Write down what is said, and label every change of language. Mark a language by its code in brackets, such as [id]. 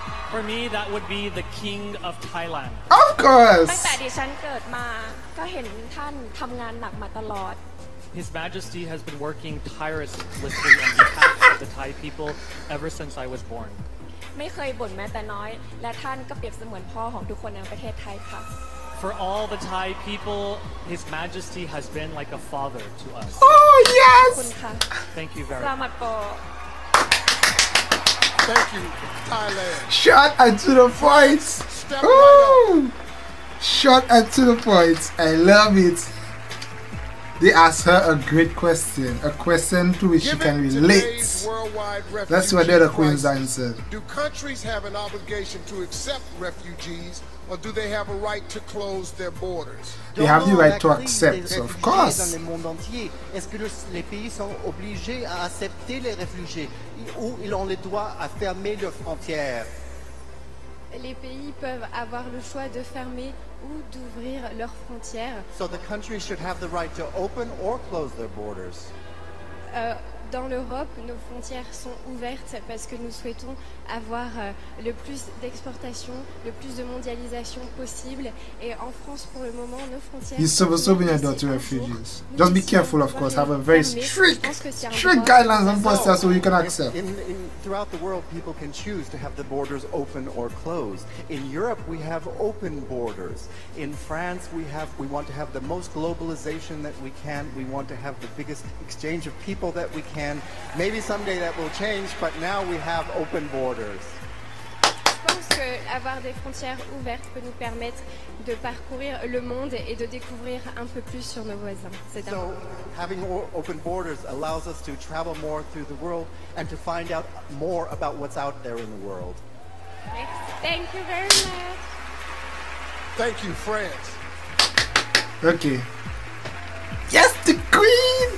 [en] For me, that would be the king of Thailand. Of course. [th] ตั้งแต่ดิฉันเกิดมาก็เห็นท่านทำงานหนักมาตลอด [en] His Majesty has been working tirelessly on behalf of the Thai people ever since I was born. [th] ไม่เคยบ่นแม้แต่น้อยและท่านก็เปรียบเสมือนพ่อของทุกคนในประเทศไทยค่ะ [en] For all the Thai people, His Majesty has been like a father to us. Oh yes. Thank you very much. Thank you, Thailand. Shot into the points. Woo! Shot into the points. I love it. They asked her a great question, a question to which she can relate. Let's see what the other queens answered. Do countries have an obligation to accept refugees, or do they have a right to close their borders? They have the right to accept, of course. [fr] Dans le monde entier, est-ce que les pays sont obligés à accepter les réfugiés, ou ils ont le droit à fermer leurs frontières? Les pays peuvent avoir le choix de fermer ou d'ouvrir leurs frontières. [en] So the countries should have the right to open or close their borders. [fr] Dans l'Europe, nos frontières sont ouvertes parce que nous souhaitons avoir le plus d'exportation, le plus de mondialisation possible. Et en France, pour le moment, nos frontières sont ouvertes. [en] You're supposed to be an adult to refugees. Just be careful, of course. Have a very strict guidelines on borders so you can accept. Throughout the world, people can choose to have the borders open or closed. In Europe, we have open borders. In France, we want to have the most globalization that we can. We want to have the biggest exchange of people that we can. Maybe someday that will change, but now we have open borders. [fr] Je pense que avoir des frontières ouvertes peut nous permettre de parcourir le monde et de découvrir un peu plus sur nos voisins. C'est [en] so, having open borders allows us to travel more through the world and to find out more about what's out there in the world. Thank you very much. Thank you, France. Okay. Yes, the queen!